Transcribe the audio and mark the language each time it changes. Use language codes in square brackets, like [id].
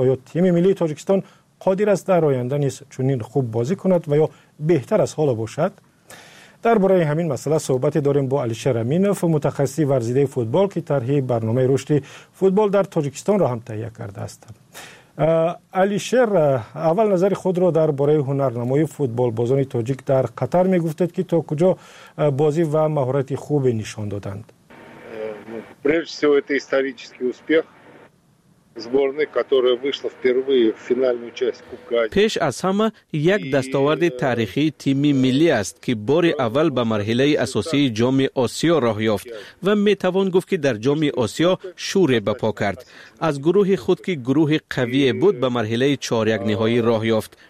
[fa] آیا تیم ملی تاجیکستان قادر است در آینده نیز چنین خوب بازی کند و یا بهتر از حالا باشد؟ در برای همین مسئله صحبت داریم با علیشه رمینف، متخصی ورزیده فوتبال که طرحی برنامه رشد فوتبال در تاجیکستان را هم تهیه کرده است. علیشر، اول نظر خود را در باره هنرنمای فوتبال بازان تاجیک در قطر می گفتید که تا کجا بازی و مهارت خوب نشان دادند. [ru] Прежде всего это исторический успех сборной, которая вышла впервые в финальную часть Кубка Азии. [fa] پیش از همه یک دستاورد تاریخی تیم ملی است که بار اول به مرحله اساسی جام آسیا راه یافت و می توان گفت که در جام آسیا شور به پا کرد. از گروه خود که گروه قوی بود به مرحله 4-1 نهایی راه یافت.